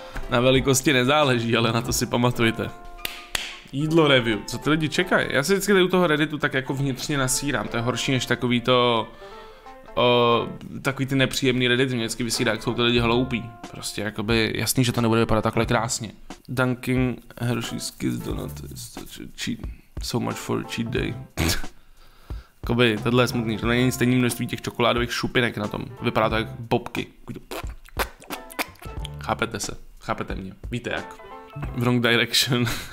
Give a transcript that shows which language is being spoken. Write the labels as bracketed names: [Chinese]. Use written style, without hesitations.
[Czech] Na velikosti nezáleží, ale na to si pamatujte. Jídlo review, co ty lidi čekají? Já si vždycky tady u toho Redditu tak jako vnitřně nasírám, to je horší než takový to... takový ty nepříjemný Reddit mě vždycky vysílá, jak jsou to lidi hloupí. Prostě jakoby jasný, že to nebude vypadat takhle krásně. [English] Dunking Hershey's Kiss Donut is such a cheat. So much for a cheat day. [Czech] Jakoby tohle je smutný, to není stejný množství těch čokoládových šupinek na tom. Vypadá to jak bobky. Chápete se, chápete mě, víte jak. [English] Wrong direction.